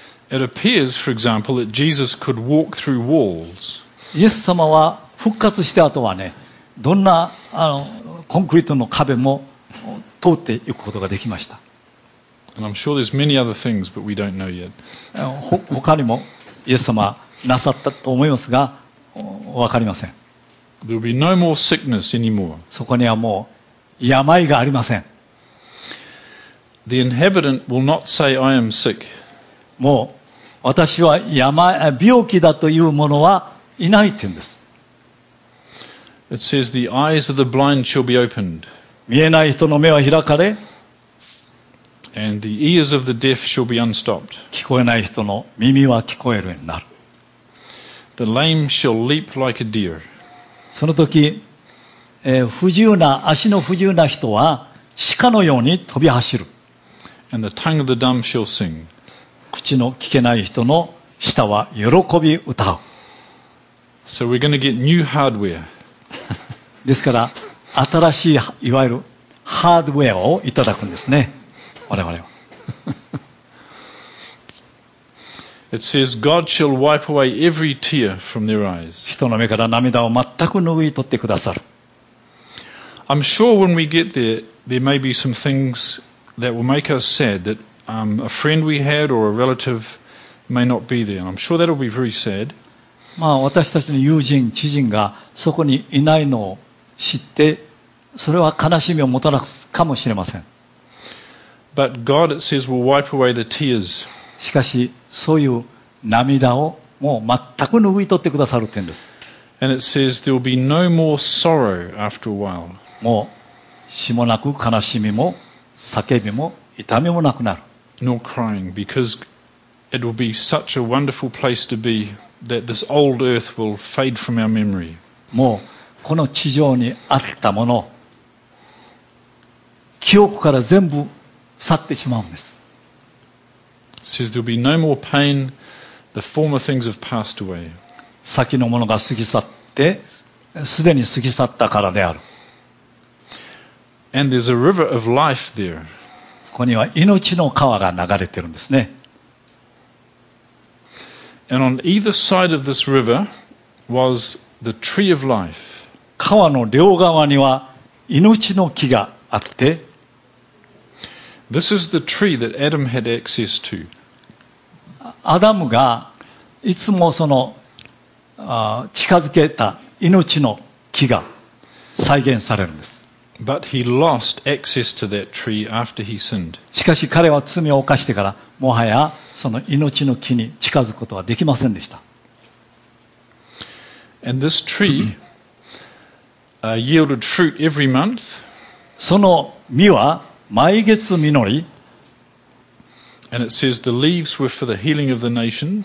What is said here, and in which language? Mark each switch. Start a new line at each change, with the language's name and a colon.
English: It appears, for example, that Jesus could walk through walls.
Japanese: イエス様は復活した後はね、どんなコンクリートの壁も通っていくことができました。
English: And I'm sure there's many other things, but we don't know yet.
Japanese: 他にもイエス様なさったと思いますが、わかりません。
English: There'll be no more sickness anymore.
Japanese: そこにはもう病がありません。
English: The inhabitant will not say, I am sick.
Japanese: もう私は病気だというものはいないというんです。
English: It says, the eyes of the blind shall be opened.
Japanese: 見えない人の目は開かれ、
English: And the ears of the deaf shall be unstopped.
Japanese: 聞こえない人の耳は聞こえるようになる。
English: The lame shall leap like a deer.
Japanese: その時、不自由な足の不自由な人は鹿のように飛び走る。
English: And the tongue of the dumb shall sing.
Japanese: 口の聞けない人の舌は喜び歌う。
English: So we're going to get new hardware.
Japanese: ですから新しいいわゆるハードウェアをいただくんですね。我
English: 々 It says God shall wipe away every tear from their eyes.
Japanese: 人の目から涙を全く拭い取ってくださる。
English: I'm sure when we get there, there may be some things that will make us sad that a friend we had or a relative may not be there. I'm sure that'll be very sad.
Japanese: まあ私たちの友人、知人がそこにいないのを知って、それは悲しみをもたらすかもしれません。
English: But God, it says, will wipe away the tears.
Japanese: しかし、そういう涙をもう全く拭い取ってくださるというんです。
English: And it says, there will be no more sorrow after a while.
Japanese: もう、しもなく悲しみも、叫びも、痛みもなくなる。
English: Nor crying, because it will be such a wonderful place to be that this old earth will fade from our memory.
Japanese: もう、この地上にあったもの、記憶から全部、去ってしまうんです。
English: Says there'll be no more pain, the former things have passed away.
Japanese: 先のものが過ぎ去って、すでに過ぎ去ったからである。
English: And there's a river of life there.
Japanese: そこには命の川が流れてるんですね。
English: And on either side of this river was the tree of life.
Japanese: 川の両側には命の木があって、
English: This is the tree that Adam had access to.
Japanese: アダムがいつもその近づけた命の木が再現されるんです。
English: But he lost access to that tree after he sinned.
Japanese: しかし彼は罪を犯してからもはやその命の木に近づくことはできませんでした。
English: And this tree yielded fruit every month.
Japanese: その実は毎月実り、
English: And it says the leaves were for the healing of the nations.